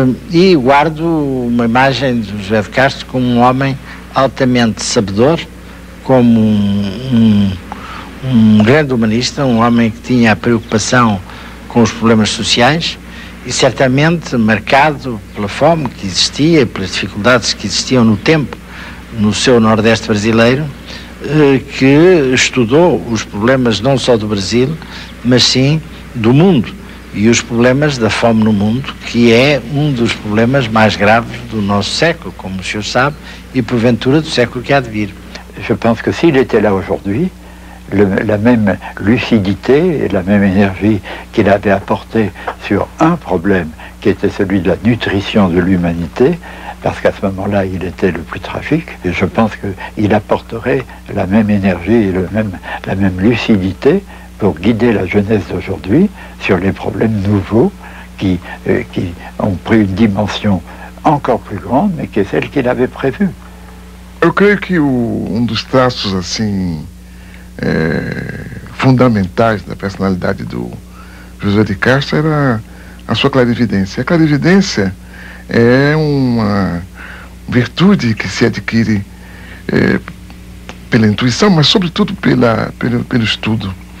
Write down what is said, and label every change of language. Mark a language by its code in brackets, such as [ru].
[pt] E guardo uma imagem do José de Castro como um homem altamente sabedor, como um grande humanista, um homem que tinha a preocupação com os problemas sociais e certamente marcado pela fome que existia, pelas dificuldades que existiam no tempo no seu Nordeste brasileiro, que estudou os problemas não só do Brasil, mas sim do mundo, e os problemas da fome no mundo, que é um dos problemas mais graves do nosso século, como o senhor sabe, e porventura do século que há de vir. [fr] Je pense que s'il était là aujourd'hui, la même lucidité et la même énergie qu'il avait apporté sur un problème qui était celui de la nutrition de l'humanité, parce qu'à ce moment-là, il était le plus tragique, et je pense qu'il apporterait la même énergie et la même lucidité pour guider la jeunesse d'aujourd'hui sur les problèmes nouveaux qui ont pris une dimension encore plus grande, mais qui est celle qu'il avait prévue. [pt] Eu creio que um dos traços assim fundamentais da personalidade do José de Castro era a sua clarividência. A clarividência é uma virtude que se adquire pela intuição, mas sobretudo pelo estudo.